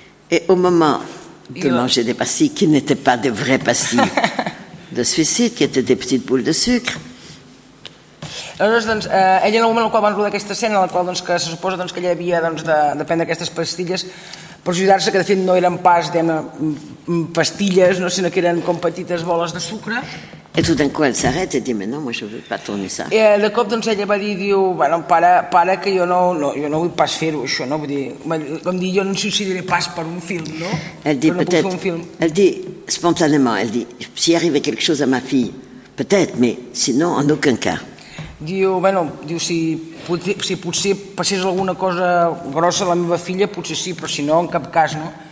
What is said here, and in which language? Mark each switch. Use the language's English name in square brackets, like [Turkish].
[French] Et au moment de manger des pastilles qui n'étaient pas des vraies pastilles de suïcide, qui étaient des petites boules de sucre, [Catalan] aleshores, doncs, ella en el moment en el qual van rodar aquesta escena, en la qual doncs, que se suposa doncs, que ella havia doncs, de prendre aquestes pastilles per ajudar-se, que de fet no eren pas pastilles, no, sinó que eren com petites boles de sucre. [French] Et tout d'un coup elle s'arrête et dit mais non, moi je veux pas tourner ça. [Catalan] De cop doncs, ella va dir, diu, bueno, para que jo no vull pas fer-ho això, no? Vull dir, com dir, jo no suicidaré pas per un film, no? [French] Elle dit, no peut-être, un film. Elle dit spontanément, elle dit, si arrive quelque chose à ma fille, peut-être, mais sinon en aucun cas. [Catalan] Diu, bueno, diu, si potser passés alguna cosa grossa a la meva filla, potser sí, però si no, en cap cas, no?